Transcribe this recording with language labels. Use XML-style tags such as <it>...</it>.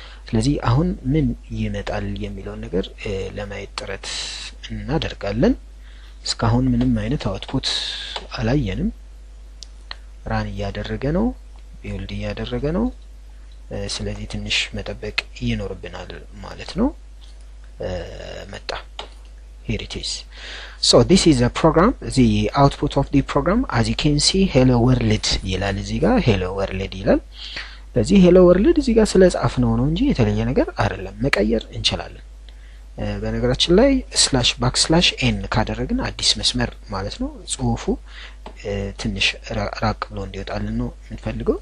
<am>ስለዚህ አሁን ምን ይመጣል የሚለውን ነገር ለማየት ጥረት እናደርጋለን. እስካሁን ምንም አይነት አውትፑት አላየንም. ራን ያደረገ ነው, ቢልድ ያደረገ ነው. ስለዚህ ትንሽ መጠበቅ ይኖርብናል ማለት ነው. መጣ.</am> <en>Here it is. So this is a program, the output of the program. As you can see, hello world</en> <am>ይላል እዚህ ጋር.</am> <en>hello world</en> <am>ይላል. ስለዚህ hello world እዚህ ጋር ስለጻፍነው ነው እንጂ የተለየ ነገር አይደለም. መቀየር እንችላለን. በነገራችን ላይ /n ካደረግን አዲስ መስመር ማለት ነው. ጽሁፉ ትንሽ ራቅ ብሎ እንዲወጣልን ነው የምንፈልገው.</am>